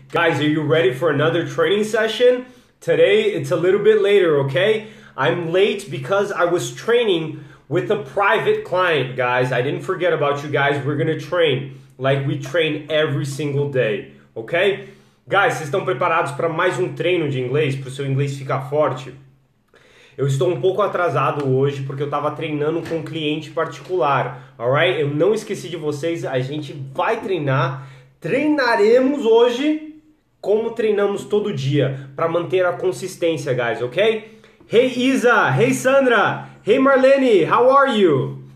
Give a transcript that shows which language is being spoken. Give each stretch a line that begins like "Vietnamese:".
English: Guys, are you ready for another training session? Today, it's a little bit later, okay? I'm late because I was training with a private client, guys. I didn't forget about you guys. We're gonna train like we train every single day, okay?
Portuguese: Guys, vocês estão preparados para mais um treino de inglês, para o seu inglês ficar forte? Eu estou um pouco atrasado hoje porque eu estava treinando com um cliente particular, alright? Eu não esqueci de vocês, a gente vai treinar. Treinaremos hoje como treinamos todo dia, para manter a consistência, guys, ok?
English: Hey Isa, hey Sandra, hey Marlene, how are you?